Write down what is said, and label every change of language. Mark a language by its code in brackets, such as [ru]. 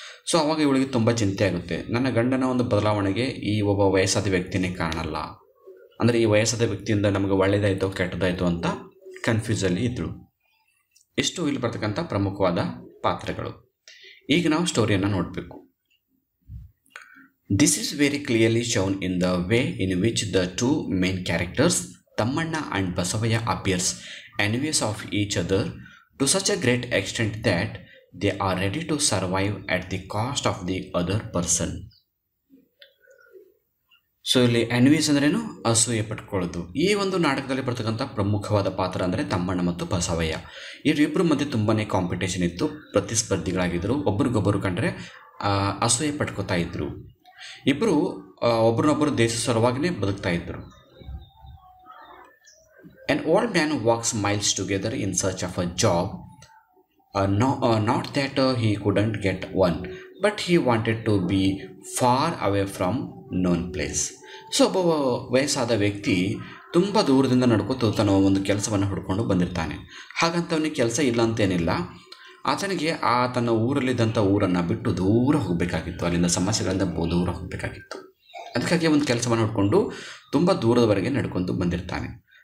[kn] So ಆವಾಗ ಇವಳಿಗೆ ತುಂಬ ಚಿಂತೆ ಆಗುತ್ತೆ, ನನ್ನ ಗಂಡನ ಒಂದು ಬದಲಾವಣೆಗೆ ಈ ಒಬ್ಬ ವಯಸ್ಸಾದ ವ್ಯಕ್ತಿನೇ ಕಾರಣಲ್ಲ, ಅಂದರೆ ಈ ವಯಸ್ಸಾದ ವ್ಯಕ್ತಿಯಿಂದ ನಮಗೆ ಒಳ್ಳೆಯದಾಯಿತು ಕೆಟ್ಟದಾಯಿತು ಅಂತ ಕನ್ಫ್ಯೂಸಲ್ಲಿ ಇದ್ದಳು. ಇಷ್ಟು ಇಲ್ಲಿ ಬರ್ತಕ್ಕಂಥ ಪ್ರಮುಖವಾದ ಪಾತ್ರಗಳು. ಈಗ ನಾವು ಸ್ಟೋರಿಯನ್ನು ನೋಡಬೇಕು. [en] This is very clearly shown in the way in which the two main characters, Tammanna and Basavaya, appears envious of each other to such a great extent that they are ready to survive at the cost of the other person. [kn] So ಇಲ್ಲಿ ಎನ್ವಿಸ್ ಅಂದ್ರೇನು? ಅಸೂಯೆ ಪಟ್ಕೊಳ್ಳೋದು. ಈ ಒಂದು ನಾಟಕದಲ್ಲಿ ಬರ್ತಕ್ಕಂಥ ಪ್ರಮುಖವಾದ ಪಾತ್ರ ಅಂದರೆ ತಮ್ಮಣ್ಣ ಮತ್ತು ಬಸವಯ್ಯ. ಇವರಿಬ್ಬರ ಮಧ್ಯೆ ತುಂಬಾ ಕಾಂಪಿಟೇಷನ್ ಇತ್ತು, ಪ್ರತಿಸ್ಪರ್ಧಿಗಳಾಗಿದ್ದರು. ಒಬ್ರಿಗೊಬ್ಬರು ಕಂಡ್ರೆ ಅಸೂಯೆ ಪಟ್ಕೋತಾ ಇದ್ರು. ಇಬ್ಬರು ಒಬ್ರನ್ನೊಬ್ಬರು ದೇಶ ಸಲುವಾಗಿನೇ ಬದುಕ್ತಾ ಇದ್ರು. [en] An old man walks miles together in search of a job. Not that he couldn't get one, but he wanted to be far away from known place. [kn] So ಒಬ್ಬ ವಯಸ್ಸಾದ ವ್ಯಕ್ತಿ ತುಂಬ ದೂರದಿಂದ ನಡ್ಕೋತು ತನ್ನ ಒಂದು ಕೆಲಸವನ್ನು ಹುಡ್ಕೊಂಡು ಬಂದಿರ್ತಾನೆ. ಹಾಗಂತ ಅವನಿಗೆ ಕೆಲಸ ಇಲ್ಲ ಅಂತೇನಿಲ್ಲ. ಆತನಿಗೆ ಆ ತನ್ನ ಊರಲ್ಲಿದ್ದಂಥ ಊರನ್ನು ಬಿಟ್ಟು ದೂರ ಹೋಗಬೇಕಾಗಿತ್ತು, ಅಲ್ಲಿಂದ ಸಮಸ್ಯೆಗಳಿಂದ ದೂರ ಹೋಗಬೇಕಾಗಿತ್ತು. ಅದಕ್ಕಾಗಿ ಒಂದು ಕೆಲಸವನ್ನು ಹುಡ್ಕೊಂಡು ತುಂಬ ದೂರದವರೆಗೆ ನಡ್ಕೊಂಡು ಬಂದಿರ್ತಾನೆ.